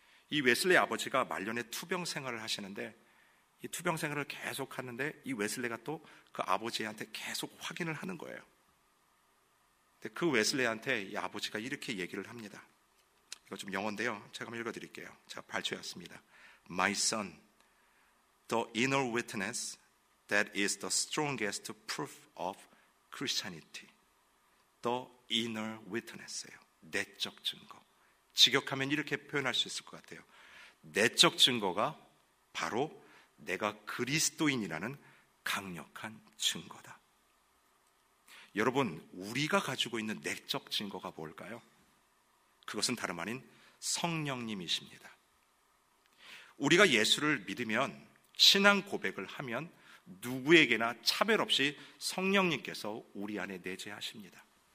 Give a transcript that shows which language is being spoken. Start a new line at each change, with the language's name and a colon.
Korean: 이 웨슬레 아버지가 말년에 투병 생활을 하시는데, 이 투병 생활을 계속 하는데 이 웨슬레가 또 그 아버지한테 계속 확인을 하는 거예요. 근데 그 웨슬레한테 이 아버지가 이렇게 얘기를 합니다. 이거 좀 영어인데요, 제가 한번 읽어드릴게요. 제가 발췌했습니다.
English: My son, the inner witness that is the strongest proof of Christianity. The inner witness예요.
Korean: 내적 증거. 직역하면 이렇게 표현할 수 있을 것 같아요. 내적 증거가 바로 내가 그리스도인이라는 강력한 증거다. 여러분, 우리가 가지고 있는 내적 증거가 뭘까요? 그것은 다름 아닌 성령님이십니다. 우리가 예수를 믿으면, 신앙 고백을 하면 누구에게나 차별 없이 성령님께서 우리 안에 내재하십니다.